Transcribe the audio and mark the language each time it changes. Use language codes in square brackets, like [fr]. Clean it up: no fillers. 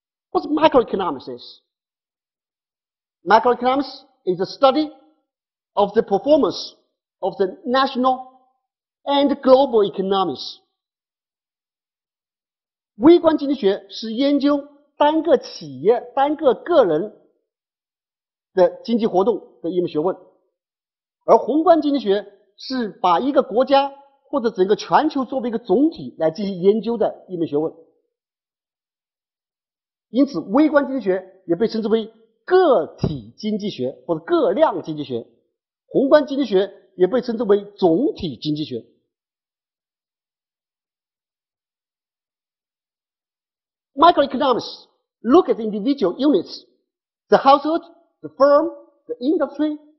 [en] What's microeconomics is? Microeconomics is a study of the performance of the national and global economies. [zh] 微观经济学是研究单个企业、单个个人的经济活动的一门学问，而宏观经济学是把一个国家或者整个全球作为一个总体来进行研究的一门学问。因此微观经济学也被称之为个体经济学或者个量经济学，宏观经济学也被称之为总体经济学。 [en] Microeconomics look at the individual units, the household, the firm, the industry.